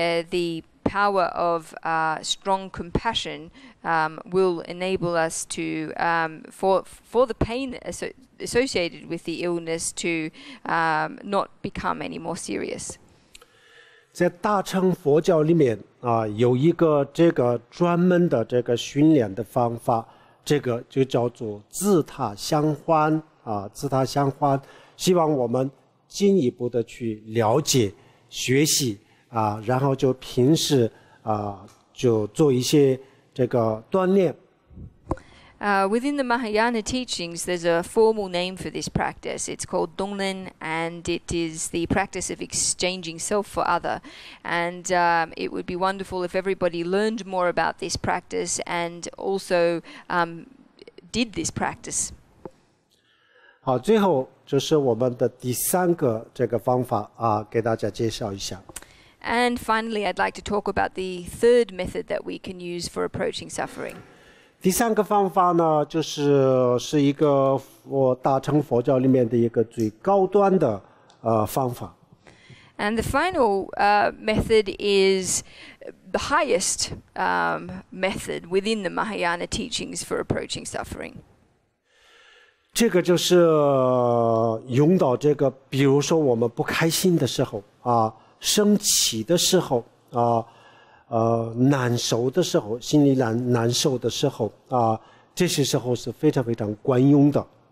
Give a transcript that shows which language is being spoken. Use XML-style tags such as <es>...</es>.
<en>The power of strong compassion will enable us to, for the pain associated with the illness to not become any more serious.</en> <zh>在大乘佛教里面啊，有一个这个专门的这个训练的方法。这个就叫做自他相欢啊，自他相欢，希望我们进一步的去了解、学习啊，然后就平时啊，就做一些这个锻炼。</zh> <en>Within the Mahayana teachings, there's a formal name for this practice. It's called Donglen, and it is the practice of exchanging self for other. And it would be wonderful if everybody learned more about this practice and also did this practice.</en> <zh>好，最后就是我们的第三个这个方法啊，给大家介绍一下。</zh> <en>And finally, I'd like to talk about the third method that we can use for approaching suffering.</en> <zh>第三个方法呢，就是一个佛大乘佛教里面的一个最高端的方法。</zh> <en>And the final method is the highest method within the Mahayana teachings for approaching suffering.</en> <zh>这个就是用到这个，比如说我们不开心的时候啊，生气的时候啊。难受的时候，心里难受的时候啊，这些时候是非常非常管用的。</zh>